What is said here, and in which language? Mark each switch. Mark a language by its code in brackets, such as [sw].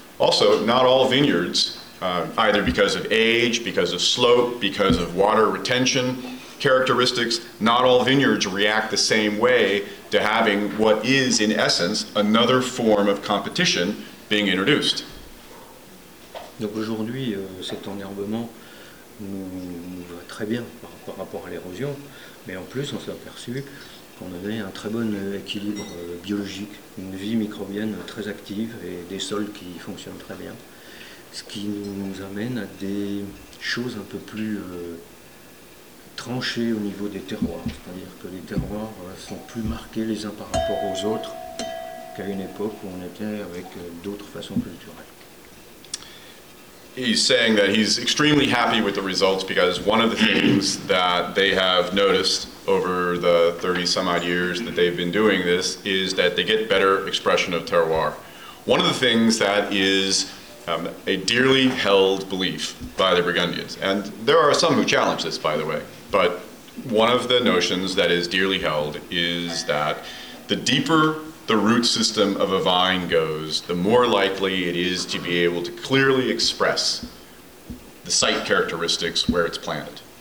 [en] Also, not all vineyards, either because of age, because of slope, because of water retention characteristics, not all vineyards react the same way to having what is, in essence, another form of competition being introduced. [fr] Donc aujourd'hui, cet enherbement nous va très bien par rapport à l'érosion, mais en plus on s'est aperçu qu'on avait un très bon équilibre biologique, une vie microbienne très active et des sols qui fonctionnent très bien. Ce qui nous amène à des choses un peu plus tranchées au niveau des terroirs, c'est-à-dire que les terroirs sont plus marqués les uns par rapport aux autres qu'à une époque où on était avec d'autres façons culturelles. [en] He's saying that he's extremely happy with the results because one of the things that they have noticed over the 30-some-odd years that they've been doing this is that they get better expression of terroir. One of the things that is a dearly held belief by the Burgundians, and there are some who challenge this, by the way, but one of the notions that is dearly held is that the deeper the root system of a vine goes, the more likely it is to be able to clearly express the site characteristics where it's planted.